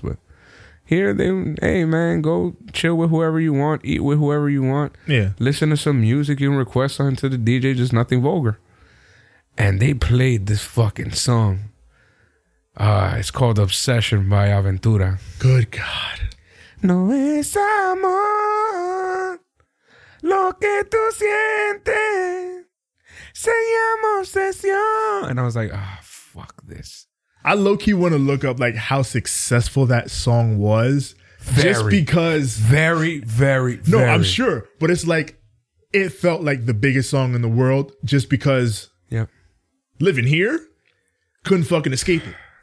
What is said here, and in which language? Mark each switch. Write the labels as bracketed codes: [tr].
[en] But here they, hey, man, go chill with whoever you want. Eat with whoever you want. Yeah. Listen to some music. You can request something to the DJ, just nothing vulgar. And they played this fucking song. It's called Obsession by Aventura. Good God. [es] No es amor lo que tú sientes, se llama obsesión. [en] And I was like, ah, fuck this. I low-key want to look up like how successful that song was. Very, just because. Very, very, no, very. I'm sure. But it's like, it felt like the biggest song in the world just because living here, couldn't fucking escape it.